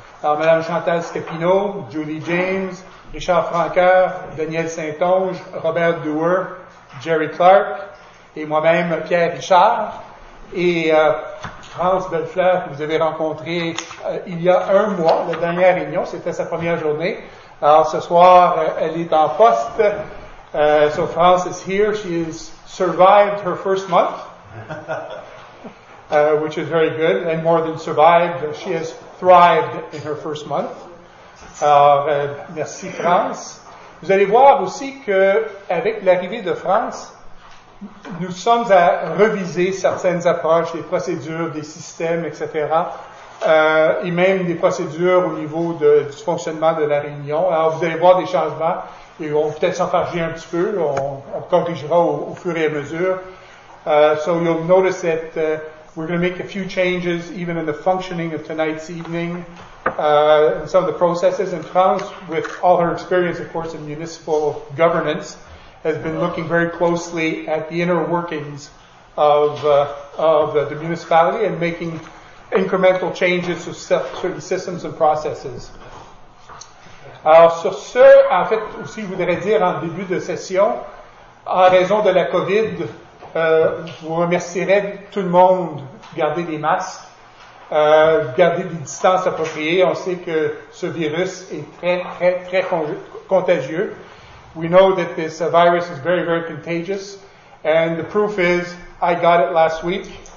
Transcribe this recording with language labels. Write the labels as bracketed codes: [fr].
[fr] Alors, Mme Chantal Stepineau, Julie James, Richard Francoeur, Daniel Saint-Onge, Robert Dewar, Jerry Clark et moi-même, Pierre Richard. Et France Bellefleur, que vous avez rencontré il y a un mois, la dernière réunion, c'était sa première journée. Alors, ce soir, elle est en poste. [en] So France is here. She has survived her first month, which is very good. And more than survived, she has thrived in her first month. [fr] Alors, merci France. Vous allez voir aussi que avec l'arrivée de France, nous sommes à reviser certaines approches, des procédures, des systèmes, etc. Et même des procédures au niveau du fonctionnement de la réunion. Alors, vous allez voir des changements. Et on va peut-être s'enfarger un petit peu, on corrigera au fur et à mesure. [en] So you'll notice that we're going to make a few changes even in the functioning of tonight's evening, in some of the processes. And France, with all her experience, of course, in municipal governance, has been looking very closely at the inner workings of the municipality and making incremental changes to certain systems and processes. [fr] Alors, sur ce, en fait, aussi, je voudrais dire en début de session, en raison de la COVID, vous remercierez tout le monde de garder des masques, garder des distances appropriées. On sait que ce virus est très, très, très contagieux. [en] We know that this virus is very, very contagious. And the proof is, I got it last week.